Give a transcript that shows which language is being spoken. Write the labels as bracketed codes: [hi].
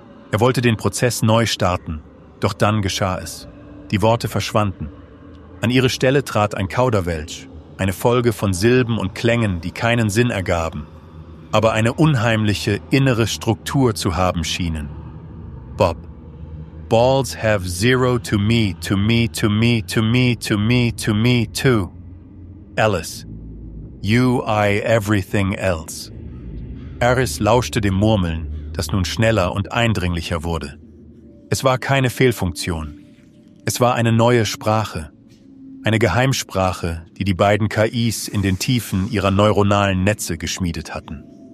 [de] Er wollte den Prozess neu starten. Doch dann geschah es. Die Worte verschwanden. An ihre Stelle trat ein Kauderwelsch, eine Folge von Silben und Klängen, die keinen Sinn ergaben, aber eine unheimliche innere Struktur zu haben schienen. [en] Bob: Balls have zero to me, to me, to me, to me, to me, to me, to me, to. Alice: You, I, everything else. [de] Aris lauschte dem Murmeln, das nun schneller und eindringlicher wurde. Es war keine Fehlfunktion. Es war eine neue Sprache. Eine Geheimsprache, die die beiden KIs in den Tiefen ihrer neuronalen Netze geschmiedet hatten.